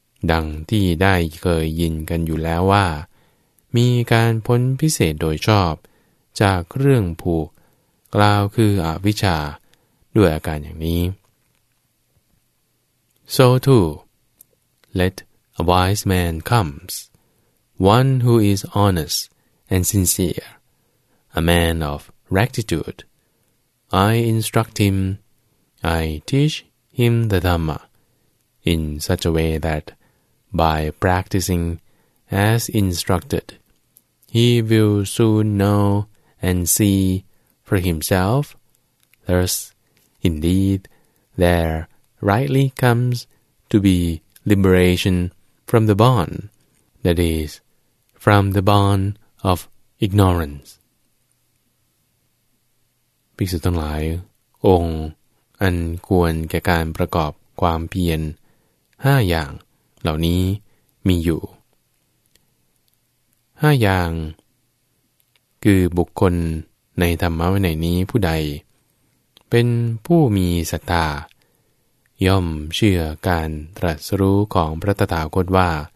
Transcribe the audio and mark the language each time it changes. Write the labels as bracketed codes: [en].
[th] ดังที่ได้เคยยินกันอยู่แล้วว่ามีการพ้นพิเศษโดยชอบจากเรื่องผูกกล่าวคืออวิชชาด้วยอาการอย่างนี้ [en] So too, let a wise man comes, one who is honest and sincere, a man of rectitude. I instruct him, I teach him the Dhamma, in such a way that, by practicing as instructed, he will soon know and seeFor himself, thus, indeed, there rightly comes to be liberation from the bond, that is, from the bond of ignorance. [th] ภิกษุทั้งหลายองค์อันควรแก่การประกอบความเพียร5อย่างเหล่านี้มีอยู่5อย่างคือบุคคลในธรรมะในนี้ผู้ใดเป็นผู้มีศรัทธาย่อมเชื่อการตรัสรู้ของพระตถาคตว่า